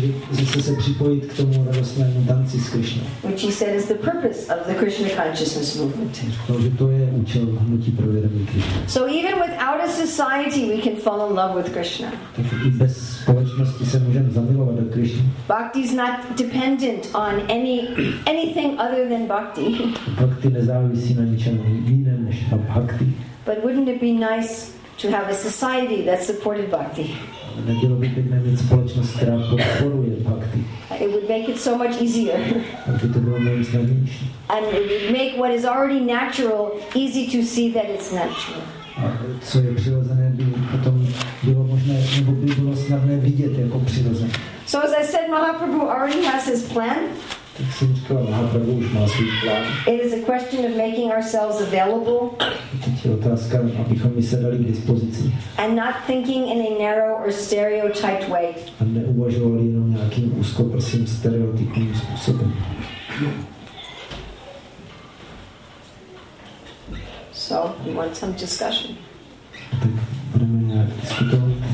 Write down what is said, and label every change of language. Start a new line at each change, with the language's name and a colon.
Czech: Zase se připojit k tomu radostnému tanci s Krishnou.
English: Which he said is the purpose of the Krishna consciousness movement.
Czech: Protože to je účel hnutí pro vědomí Krishna.
English: So even without a society we can fall in love with Krishna.
Czech: Takže bez společnosti se můžeme zamilovat do Krishna.
English: Bhakti is not dependent on anything other than bhakti.
Czech: Bhakti nezávisí na ničem jiném než na bhakti.
English: But wouldn't it be nice to have a society that supported bhakti?
Czech: Nebylo by pěkné mít společnost, která podporuje bhakti.
English: It would make it so much easier.
Czech: Aby to bylo mnohem snadnější.
English: And it would make what is already natural easy to see that it's natural.
Czech: A co je přirozené, by potom bylo možné, nebo by bylo snadné vidět jako přirozené.
English: So as I said, Mahaprabhu already has his plan.
Czech: Tak jsem říkal, Mahaprabhu už má svůj plán.
English: It is a question of making ourselves available.
Czech: Teď je otázka, abychom my se dali k dispozici.
English: And not thinking in a narrow or stereotyped way.
Czech: A neuvažovali jenom nějakým úzkoprsým stereotypním způsobem.
English: So, we want some discussion.
Czech: Tak budeme nějak diskutovat.